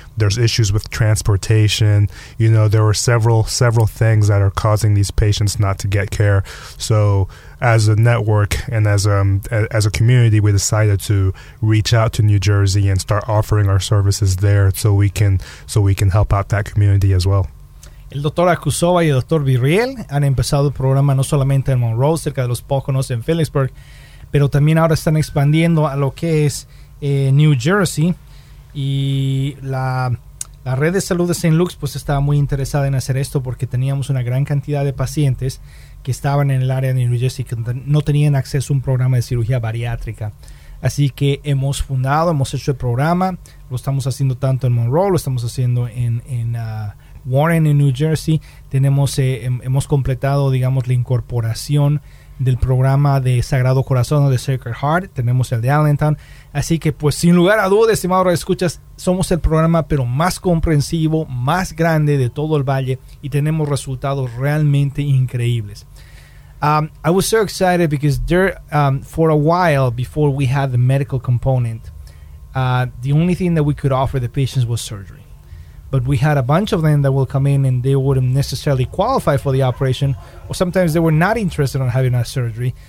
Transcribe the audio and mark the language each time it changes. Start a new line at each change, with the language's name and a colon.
English: There's issues with transportation. You know, there are several things that are causing these patients not to get care. So as a network and as a community, we decided to reach out to New Jersey and start offering our services there so we can help out that community as well.
Spanish: El doctor Akusova y el doctor Biriel han empezado el programa no solamente en Monroe, cerca de los Poconos, en Phillipsburg, pero también ahora están expandiendo a lo que es New Jersey, y la red de salud de St. Luke's pues estaba muy interesada en hacer esto porque teníamos una gran cantidad de pacientes que estaban en el área de New Jersey que no tenían acceso a un programa de cirugía bariátrica. Así que hemos fundado, hemos hecho el programa, lo estamos haciendo tanto en Monroe, lo estamos haciendo en Warren, en New Jersey. Tenemos, hemos completado, digamos, la incorporación del programa de Sagrado Corazón o de Sacred Heart. Tenemos el de Allentown. Así que, pues, sin lugar a dudas, estimado escuchas, somos el programa, pero más comprensivo, más grande de todo el valle, y tenemos resultados realmente increíbles.
English: I was so excited because there, for a while before we had the medical component, the only thing that we could offer the patients was surgery. But we had a bunch of them that will come in and they wouldn't necessarily qualify for the operation, or sometimes they were not interested in having a surgery.